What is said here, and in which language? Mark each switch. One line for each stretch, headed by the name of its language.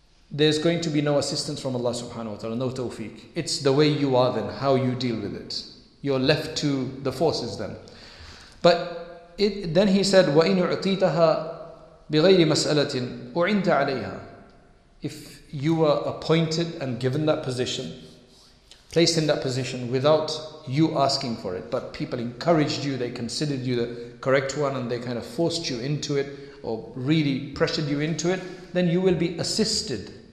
English: There's going to be no assistance from Allah subhanahu wa ta'ala. No tawfiq. It's the way you are then, how you deal with it. You're left to the forces then. But then he said,
Arabic: وَإِنْ أُعْطِيتَهَا بِغَيْرِ مَسْأَلَةٍ أُعِنْتَ عَلَيْهَا.
English: If you were appointed and given that position, placed in that position without you asking for it, but people encouraged you, they considered you the correct one, and they kind of forced you into it, or really pressured you into it, then you will be assisted.